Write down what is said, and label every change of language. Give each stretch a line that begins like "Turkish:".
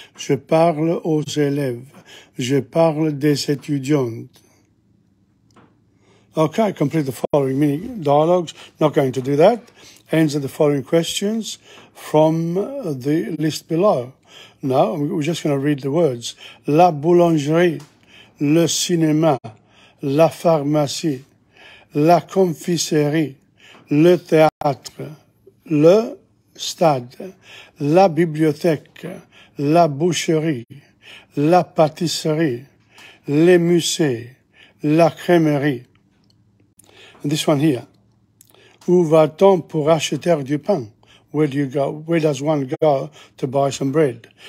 French: Je parle aux élèves. Je parle des étudiants.
English: Okay, complete the following mini dialogues. Not going to do that. Answer the following questions from the list below. No, we're just going to read the words.
French: La boulangerie, le cinéma, la pharmacie, la confiserie, le théâtre, le stade, la bibliothèque, la boucherie, la pâtisserie, les musées, la crèmerie.
English: And this one here.
French: Où va-t-on pour acheter du pain?
English: Where do you go? Where does one go to buy some bread?